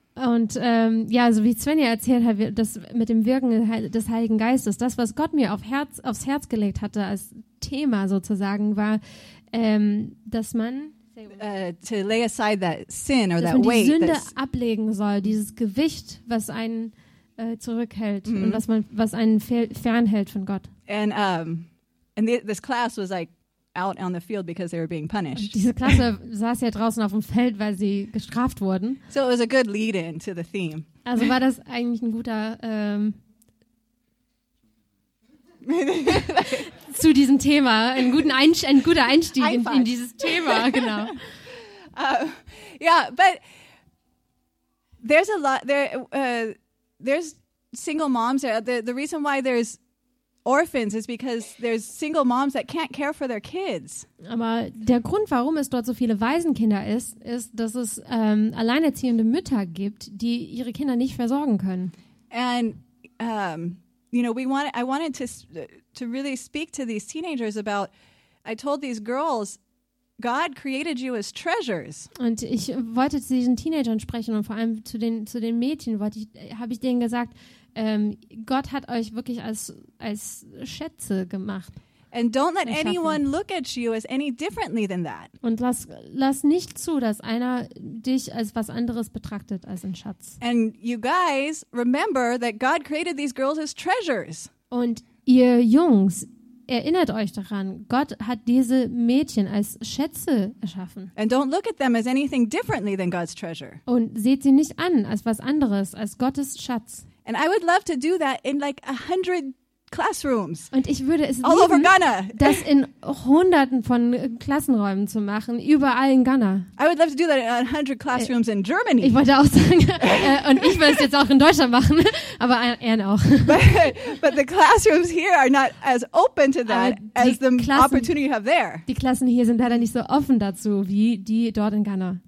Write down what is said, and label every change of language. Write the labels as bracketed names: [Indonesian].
[German] Und ja, so wie Svenja erzählt hat, das mit dem Wirken des Heiligen Geistes, das, was Gott mir aufs Herz gelegt hatte als Thema sozusagen, war, dass man [English] to lay aside that sin or [German] dass [English] that [German] man [English] weight, [German] die Sünde ablegen soll, dieses Gewicht, was einen zurückhält mm-hmm. und was einen fernhält von Gott. [English] And this class was like out on the field because they were being punished. [German] Diese Klasse saß ja draußen auf dem Feld, weil sie gestraft wurden. [English] So it was a good lead-in to the theme. [German] Also war das eigentlich ein guter zu diesem Thema, ein guter Einstieg in dieses Thema, genau. [English] Yeah, but there's a lot there's single moms there. The reason why there's orphans is because there's single moms that can't care for their kids. [German] Aber der Grund, warum es dort so viele Waisenkinder ist, dass es alleinerziehende Mütter gibt, die ihre Kinder nicht versorgen können. [English] And you know, I wanted to really speak to these teenagers about, I told these girls, God created you as treasures. [German] Und ich wollte zu diesen Teenagern sprechen und vor allem zu den Mädchen habe ich denen gesagt, Gott hat euch wirklich als Schätze gemacht. [English] And don't let anyone look at you as any differently than that. [German] Und lass nicht zu, dass einer dich als was anderes betrachtet als ein Schatz. [English] And you guys remember that God created these girls as treasures. [German] Und ihr Jungs, erinnert euch daran, Gott hat diese Mädchen als Schätze erschaffen. [English] And don't look at them as anything differently than God's treasure. [German] Und seht sie nicht an als was anderes als Gottes Schatz. [English] And I would love to do that in like 100 classrooms. [German] Und ich würde es [English] all [German] lieben, [English] over Ghana. [German] Das in Hunderten von Klassenräumen zu machen, überall in Ghana. [English] I would love to do that in 100 classrooms in Germany. [German] Ich wollte auch sagen, und ich würde es jetzt auch in Deutschland machen, aber Anne auch. [English] But the classrooms here are not as open to that as the opportunity you have there. [German] Die Klassen hier sind leider nicht so offen dazu wie die dort in Ghana.